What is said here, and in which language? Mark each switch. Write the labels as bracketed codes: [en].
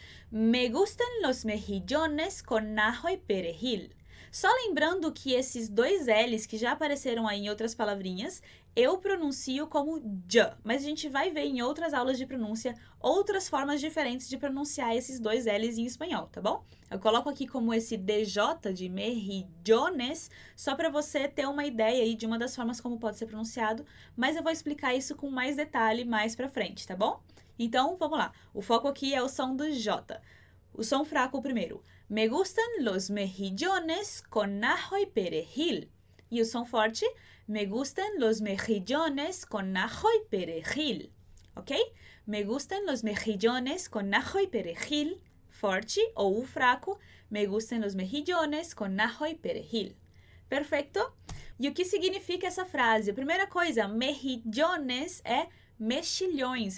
[es] Me gustan los mejillones con ajo y perejil. [pt] Só lembrando que esses dois L's que já apareceram aí em outras palavrinhas, eu pronuncio como j, mas a gente vai ver em outras aulas de pronúncia outras formas diferentes de pronunciar esses dois L's em espanhol, tá bom? Eu coloco aqui como esse DJ de mejillones, só para você ter uma ideia aí de uma das formas como pode ser pronunciado, mas eu vou explicar isso com mais detalhe mais para frente, tá bom? Então, vamos lá. O foco aqui é o som do J. O som fraco primeiro. [es] Me gustan los mejillones con ajo y perejil. [pt] E o som forte. [es] Me gustan los mejillones con ajo y perejil. Ok? Me gustan los mejillones con ajo y perejil. [pt] Forte ou fraco. [es] Me gustan los mejillones con ajo y perejil. [pt] Perfeito? E o que significa essa frase? Primeira coisa, mejillones é mexilhões.